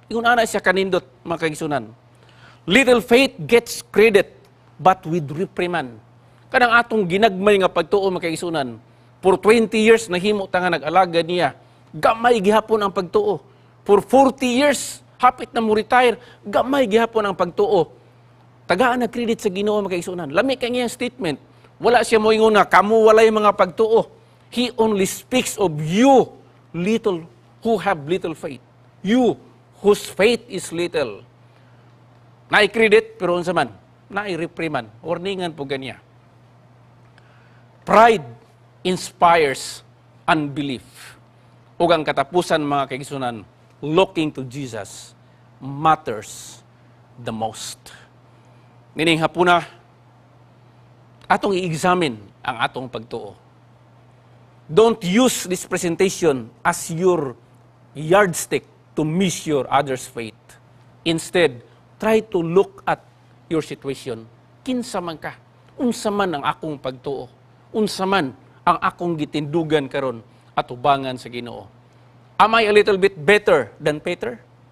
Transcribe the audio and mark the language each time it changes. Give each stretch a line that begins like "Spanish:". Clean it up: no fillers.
Cebuano: Ingon ana siya kanindot, mga kaigsoonan.
English: Little faith gets credit but with reprimand.
Cebuano: Kanang atong ginagmay nga Pagtuon, mga kaigsoonan,
English: for 20 years
Cebuano: nahimo ta nga nag-alaga niya. Gamay gihapon ang Pagtuo.
English: For 40 years,
Cebuano: hapit na mo retire, gamay gihapon ang Pagtuo. Tagaan na credit sa Ginoo, mga kaigsoonan. Lami kang iyang statement. Wala siya mo ingon na, kamu wala yung mga Pagtuo.
English: He only speaks of you, little, who have little faith. You, whose faith is little.
Cebuano: Nai-credit, pero unsa man, nai-repriman. Warningan po ganiya.
English: Pride inspires unbelief.
Cebuano: Ug ang katapusan, mga kaigsoonan,
English: looking to Jesus matters the most.
Cebuano: Nining hapuna, atong i-examine ang atong Pagtuo.
English: Don't use this presentation as your yardstick to measure others' faith. Instead, try to look at your situation.
Cebuano: Kinsa man ka? Unsa man ang akong Pagtuo? Unsa man ang akong gitindugan karon at ubangan sa Ginoo?
English: Am I a little bit better than Peter?